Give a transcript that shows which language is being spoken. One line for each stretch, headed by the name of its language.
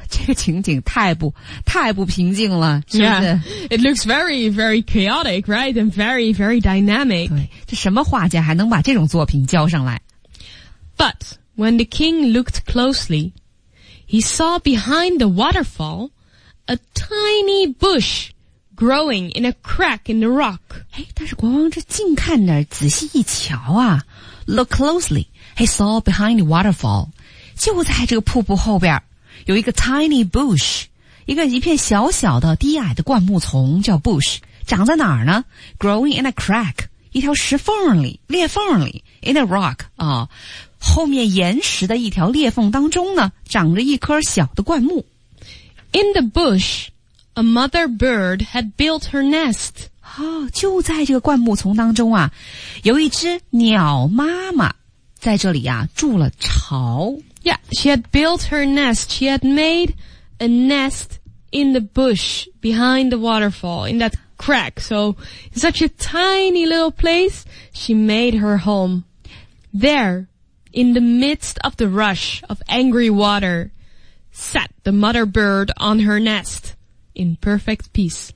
Chinese: 这个情景太不平静了是不是
English: yeah, it looks very, very chaotic, right? And very, very dynamic.
Chinese: 对这什么画家还能把这种作品交上来
English: But when the king looked closely, he saw behind the waterfall a tiny bush growing in a crack in the rock.
Chinese: 但是国王这近看点仔细一瞧啊
English: Look closely, he saw behind the waterfall,
Chinese: 就在这个瀑布后边有一个 tiny bush, 一片小小的低矮的灌木丛叫 bush, 长在哪儿呢 ?
English: growing in a crack,
Chinese: 一条石缝里裂缝里 ,
English: in a rock,
Chinese: 啊、哦、后面岩石的一条裂缝当中呢长着一颗小的灌木。
English: In the bush, a mother bird had built her nest.
Chinese: 哦就在这个灌木丛当中啊有一只鸟妈妈在这里啊筑了巢。
English: Yeah, she had built her nest. She had made a nest in the bush behind the waterfall, in that crack. So, in such a tiny little place, she made her home. There, in the midst of the rush of angry water, sat the mother bird on her nest in perfect peace.